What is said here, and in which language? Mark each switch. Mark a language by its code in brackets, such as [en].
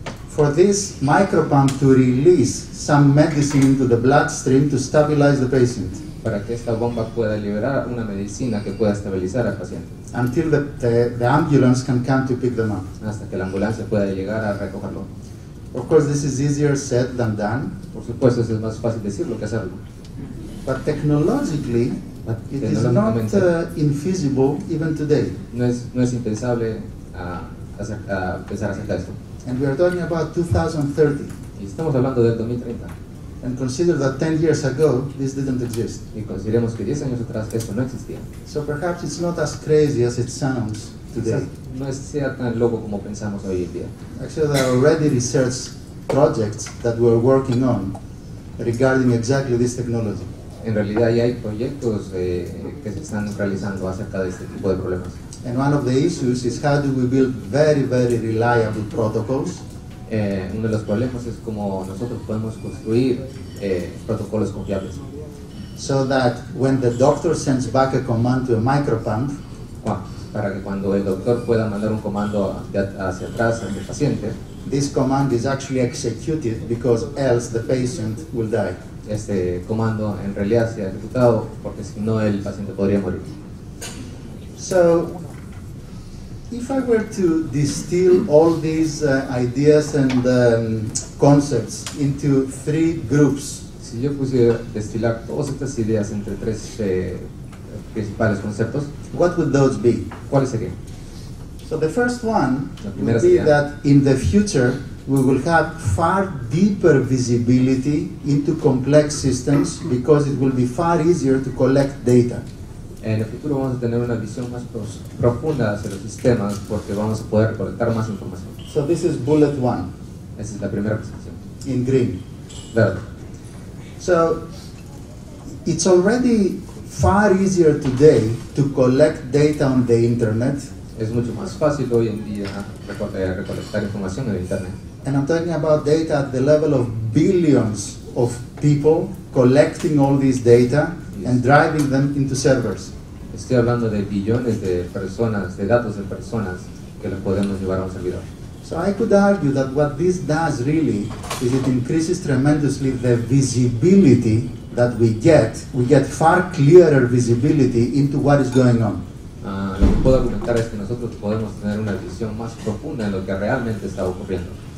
[en] For this micro pump to release some medicine into the bloodstream to stabilize the patient. [es] Para que esta bomba pueda liberar una medicina que pueda estabilizar al paciente. [en] Until the ambulance can come to pick them up. [es] Hasta que la ambulancia pueda llegar a recogerlo. [en] Of course, this is easier said than done. [es] Por supuesto, es más fácil decirlo que hacerlo. [en] But technologically, it is not infeasible even today. [es] No es impensable pensar acerca de esto. [en] And we are talking about 2030. [es] Y estamos hablando del 2030. [en] And consider that 10 years ago, this didn't exist. [es] Y consideremos que 10 años atrás esto no existía. [en] So perhaps it's not as crazy as it sounds today. [es] No es sea tan loco como pensamos hoy en día. [en] Actually, there are already research projects that we're working on regarding exactly this technology. [es] En realidad ya hay proyectos que se están realizando acerca de este tipo de problemas. [en] And one of the issues is how do we build very, very reliable protocols? [es] Uno de los problemas es cómo nosotros podemos construir protocolos confiables. [en] So that when the doctor sends back a command to a micropump, [es] para que cuando el doctor pueda mandar un comando hacia atrás al paciente, [en] this command is actually executed because else the patient will die. [es] Este comando en realidad sea ejecutado porque si no el paciente podría morir. [en] So, if I were to distill all these ideas and concepts into three groups, [es] si yo pudiera destilar todas estas ideas entre tres principales conceptos, [en] what would those be? [es] ¿Cuáles serían? [en] So the first one would be that in the future we will have far deeper visibility into complex systems because it will be far easier to collect data. [es] En el futuro vamos a tener una visión más profunda hacia los sistemas porque vamos a poder recolectar más información. [en] So this is bullet one. [es] Esa es la primera posición. [en] In green. [es] Verde. [en] So it's already far easier today to collect data on the internet. [es] Es mucho más fácil hoy en día recolectar información en el internet. [en] And I'm talking about data at the level of billions of people collecting all this data and driving them into servers. [es] Estoy hablando de billones de personas, de datos de personas que los podemos llevar a un servidor. [en] So I could argue that what this does really is it increases tremendously the visibility that we get far clearer visibility into what is going on. [es] Lo que puedo argumentar es que nosotros podemos tener una visión más profunda en lo que realmente está ocurriendo.